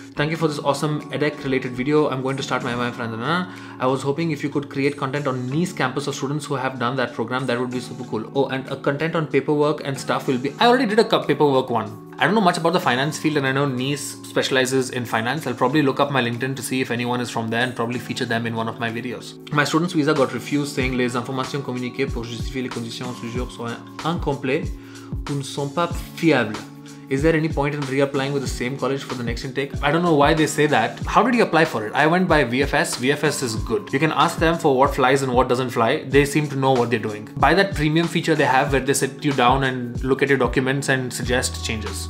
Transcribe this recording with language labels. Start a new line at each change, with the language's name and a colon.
English: Thank you for this awesome EdTech related video. I'm going to start my MIM friend. I was hoping if you could create content on Nice campus of students who have done that program, that would be super cool. Oh, and a content on paperwork and stuff will be... I already did a paperwork one. I don't know much about the finance field, and I know Nice specializes in finance. I'll probably look up my LinkedIn to see if anyone is from there and probably feature them in one of my videos. My student's visa got refused, saying
French: les informations communiquées pour justifier les conditions de séjour sont incomplètes ou ne sont pas fiables.
English: Is there any point in reapplying with the same college for the next intake? I don't know why they say that. How did you apply for it? I went by VFS. VFS is good. You can ask them for what flies and what doesn't fly. They seem to know what they're doing. Buy that premium feature they have where they sit you down and look at your documents and suggest changes.